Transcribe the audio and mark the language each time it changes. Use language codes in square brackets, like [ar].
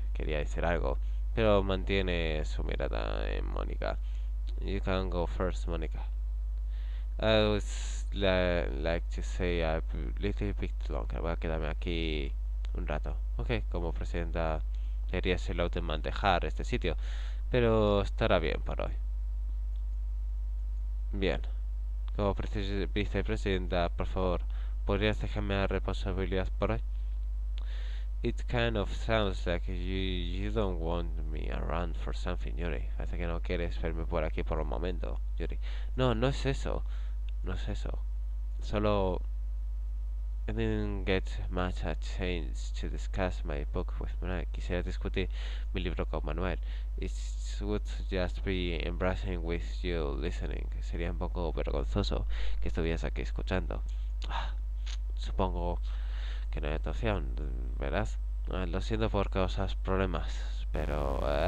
[es] Quería decir algo, pero mantiene su mirada en Mónica. [en] You can go first, Mónica. I would like to say a little bit longer. [es] Voy a quedarme aquí un rato. Ok, como presidenta, debería ser la última en dejar este sitio. Pero estará bien para hoy. Bien. Como vicepresidenta, por favor, ¿podrías dejarme la responsabilidad por hoy? [en] It kind of sounds like you don't want me around for something, Yuri. [es] Parece que no quieres verme por aquí por un momento, Yuri. No, no es eso. No es eso. Solo... [en] I didn't get much a chance to discuss my book with Manuel. [es] Quisiera discutir mi libro con Manuel. [en] It would just be embarrassing with you listening. [es] Sería un poco vergonzoso que estuvieras aquí escuchando. Supongo que no hay otra opción, ¿verdad? Lo siento por causar problemas, pero...